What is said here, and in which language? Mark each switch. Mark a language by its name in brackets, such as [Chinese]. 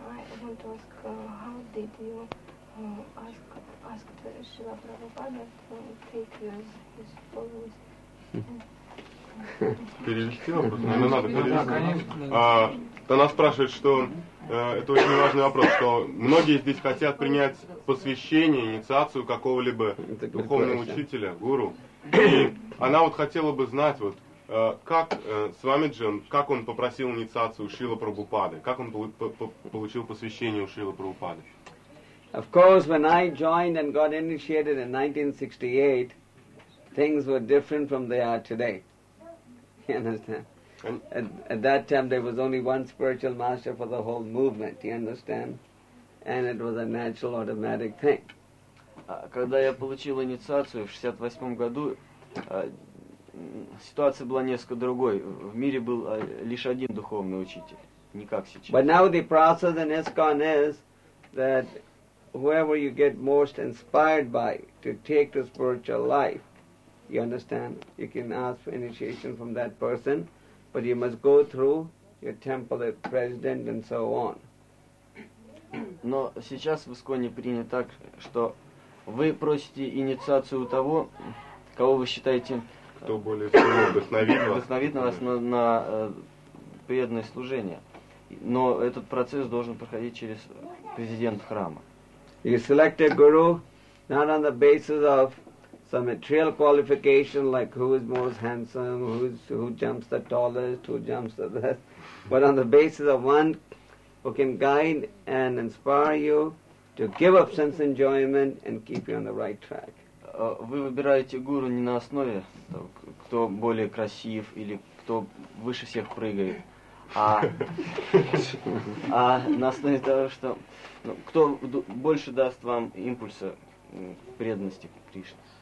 [English] I want to ask, how did you ask Srila Prabhupada to take his followers? [Russian] Перевести вопрос? Наверное, надо перевести. Она спрашивает, что это очень важный вопрос, что многие здесь хотят принять посвящение, инициацию какого-либо духовного учителя, гуру. И она вот хотела бы знать, вот как Свамиджи, как он попросил инициацию у Шрилы Прабхупады, как он получил посвящение у Шрилы Прабхупады. [English] Of course, when I joined and got initiated in 1968, things were different from they are today. You understand? At that time there was only one spiritual master for the whole movement, you understand? And it was a natural automatic thing. [Russian] Когда я получил инициацию в 68-м году, ситуация была несколько другой. В мире был лишь один духовный учитель, не как сейчас. [English] But now the process in ISKCON is that whoever you get most inspired by to take to spiritual life, you understand? You can ask for initiation from that person, but you must go through your temple president and so on. [Russian] Но сейчас в Исконе принято так, что вы просите инициацию у того, кого вы считаете что более всего вдохновит вас? Вдохновит нас на преданное служение. Но этот процесс должен проходить через президента храма. [English] You select a guru not on the basis of some material qualification, like who is most handsome, who jumps the tallest, who jumps the best, but on the basis of one who can guide and inspire you to give up sense enjoyment and keep you on the right track. [Russian] Вы выбираете гуру не на основе того, кто более красив или кто выше всех прыгает, а на основе того, что кто больше даст вам импульса преданности Кришне.